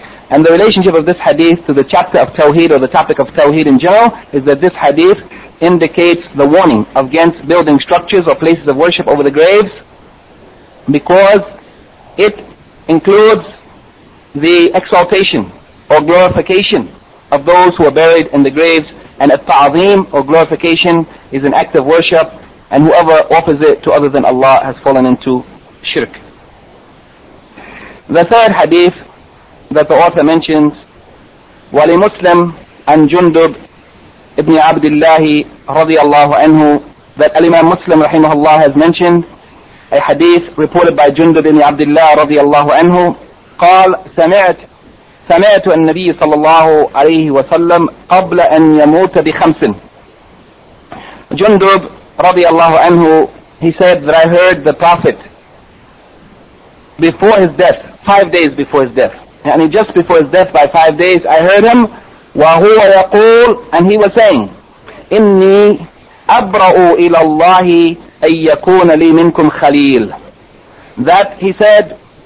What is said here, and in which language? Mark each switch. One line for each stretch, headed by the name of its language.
English: And the relationship of this hadith to the chapter of Tawheed or the topic of Tawheed in general is that this hadith indicates the warning against building structures or places of worship over the graves because it includes the exaltation or glorification of those who are buried in the graves. And a ta'zim or glorification is an act of worship, and whoever offers it to other than Allah has fallen into shirk.
Arabic: The third hadith that the author mentions, وَلِي مُسْلِمْ أَنْ جُنْدُبْ إِبْنِ عَبْدِ اللَّهِ رَضِيَ اللَّهُ عَنْهُ,
English: that Imam Muslim rahimahullah has mentioned a hadith reported by Jundub ibn Abdullah
Arabic: رضي الله عنه, قال سمعت النبي صلى الله عليه وسلم قبل أن يموت بخمس.
English: Jundub رضي الله عنه, he said that I heard the Prophet before his death, 5 days before his death, yani just before his death by 5 days, I heard him
Arabic: وهو يقول,
English: and he was saying,
Arabic: إني أبرأ إلى الله أن يكون لي منكم خليل,
English: that he said,